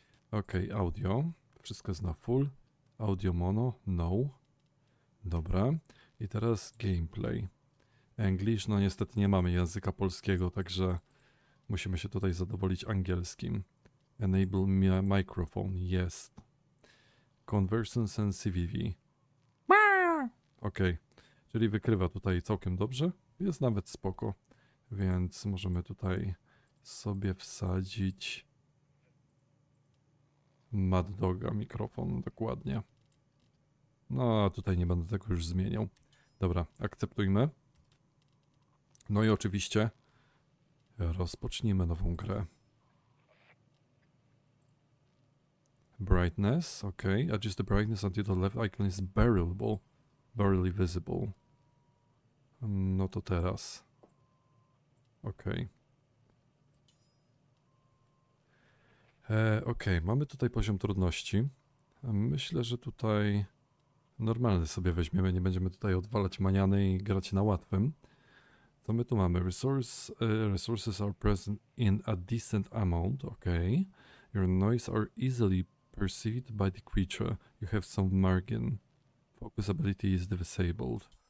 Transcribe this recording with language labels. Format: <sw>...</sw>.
<pl>Ok, audio, wszystko jest na full, audio mono, no. Dobra, i teraz gameplay. English, no niestety nie mamy języka polskiego, także musimy się tutaj zadowolić angielskim.</pl> <en>Enable microphone,</en> <pl>jest.</pl> <en>Conversion sensitivity.</en> <pl>Ok, czyli wykrywa tutaj całkiem dobrze, jest nawet spoko. Więc możemy tutaj sobie wsadzić Mad Doga mikrofon, dokładnie. No, tutaj nie będę tego już zmieniał. Dobra, akceptujmy. No i oczywiście rozpocznijmy nową grę.</pl> <en>Brightness, ok. Adjust the brightness until the left icon is barely visible.</en> <pl>No to teraz. Ok. Ok, mamy tutaj poziom trudności. Myślę, że tutaj normalny sobie weźmiemy, nie będziemy tutaj odwalać maniany i grać na łatwym. Co my tu mamy?</pl> <en>Resources are present in a decent amount, ok. Your noise are easily perceived by the creature. You have some margin. Focus ability is disabled.</en>